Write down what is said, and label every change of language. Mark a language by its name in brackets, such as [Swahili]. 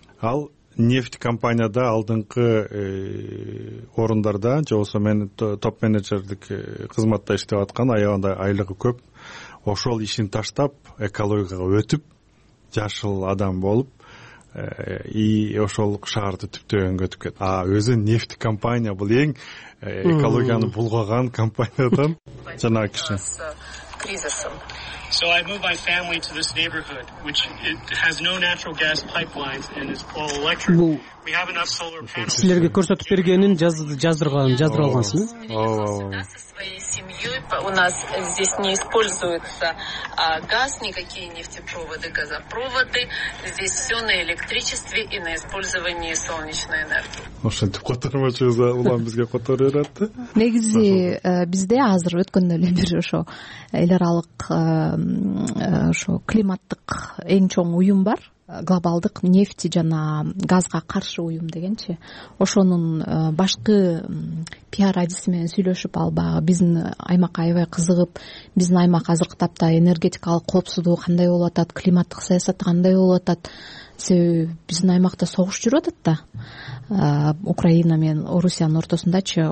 [Kyrgyz] Ал нефть компанияда алдыңкы орундарда же болсо мен топ менеджердик кызматта иштеп аткан, аябандай айлыгы көп, ошол ишин таштап экологияга өтүп жашыл адам болуп и ошол шаарды түптөгөнгө өтүп кетти. А өзү нефть компания бул эң экологияны булгаган компаниядан жана киши. [English] So I moved my family to this neighborhood which it has no natural gas pipelines and is all electric. [Kyrgyz] Бул [English] we have enough solar panels. [Kyrgyz] Силерге көрсөтүп бергенин жаздырган, жаздырып алгансыз. Ооба. [Russian] У нас здесь не используется газ, никакие нефтепроводы, газопроводы. Здесь все на электричестве и на использовании солнечной энергии. [Kyrgyz] Ошентип которомочу за улан бизге которо берет. Негизи бизде азыр өткөндө эле бир ошо эл аралык ошо климаттык эң чоң уюм бар. Глобалдык нефти жана газга каршы уюм дегенчи, ошонун башкы пиар адиси менен сүйлөшүп ал баягы биздин аймак аябай кызыгып, биздин аймак азыркы тапта энергетикалык коопсуздугу кандай болуп атат, климаттык саясат кандай болуп атат, себеби биздин аймакта согуш жүрүп атат да, Украина менен Орусиянын ортосундачы.